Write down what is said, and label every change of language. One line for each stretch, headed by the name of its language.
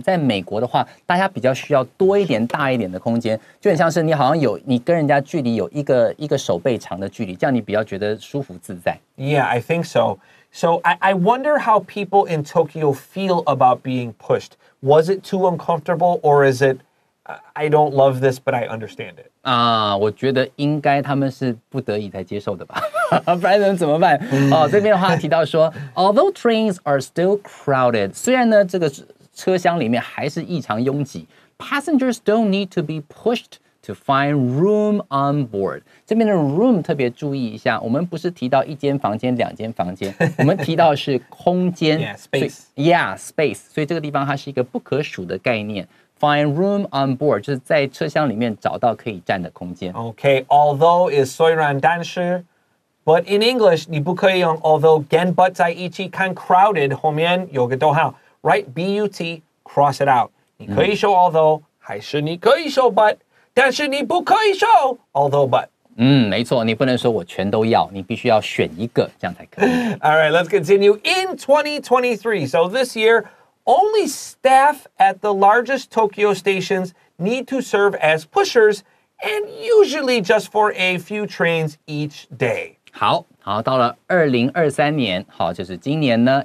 Chinese: 在美国的话，大家比较需要多一点、大一点的空间，就很像是你好像有你跟人家距离有一个手背长的距离，这样你比较觉得舒服自在。
English: Yeah, I think so. So I wonder how people in Tokyo feel about being pushed. Was it too uncomfortable, or is it? I don't love this, but I understand it.
Chinese: 啊，我觉得应该他们是不得已才接受的吧，不然能怎么办？
English: 哦，这边的话提到说，although trains are still crowded，
Chinese: 虽然呢这个车厢里面还是异常拥挤
English: ，passengers don't need to be pushed to find room on board。
Chinese: 这边的 room 特别注意一下，我们不是提到一间房间、两间房间，我们提到的是空间
English: ，space。
Chinese: 所以这个地方它是一个不可数的概念。
English: Find room on board,
Chinese: 就是在车厢里面找到可以站的空间。
English: Okay, although is
Chinese: 虽然但是
English: But in English,
Chinese: 你不可以用
English: although 跟 but
Chinese: 在一起看
English: crowded
Chinese: 后面有个逗号
English: Write B-U-T, cross it out.
Chinese: 你可以说 although, 还是你可以说 but, 但是你不可以说 although but. 嗯，没错，你不能说我全都要，你必须要选一个，这样才可以。
English: All right, let's continue. In 2023, so this year, only staff at the largest Tokyo stations need to serve as pushers, and usually just for a few trains each day.
Chinese: 好，好，到了2023年，好，就是今年呢。